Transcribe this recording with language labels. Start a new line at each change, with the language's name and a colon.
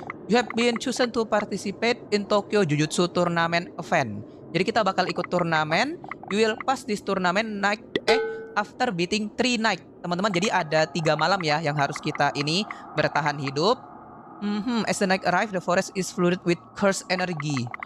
English: You have been chosen to participate in Tokyo Jujutsu Tournament event.
Indonesian: Jadi kita bakal ikut turnamen.
English: You will pass this tournament after beating 3 night.
Indonesian: Teman-teman, jadi ada 3 malam ya yang harus kita ini bertahan hidup.
English: As the night arrive, the forest is flooded with cursed energy.